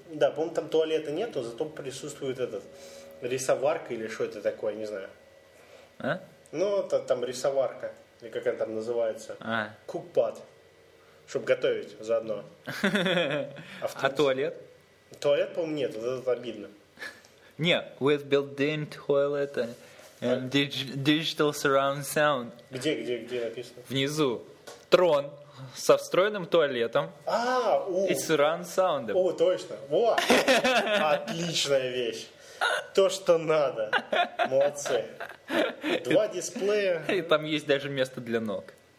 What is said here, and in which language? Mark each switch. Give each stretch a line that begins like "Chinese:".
Russian: Да, по-моему, там туалета нету, зато присутствует этот... Рисоварка или что это такое, не знаю. А? Там рисоварка. или как она там называется, кукпад, чтобы готовить заодно. А туалет? Туалет, по-моему, нет, вот это обидно.
English: Нет, with built-in toilet and digital surround sound.
Russian: Где написано? Внизу. Трон со встроенным туалетом и surround sound. О, точно. Во! Отличная вещь. То, что надо. Молодцы. Два дисплея. И там есть даже место для ног.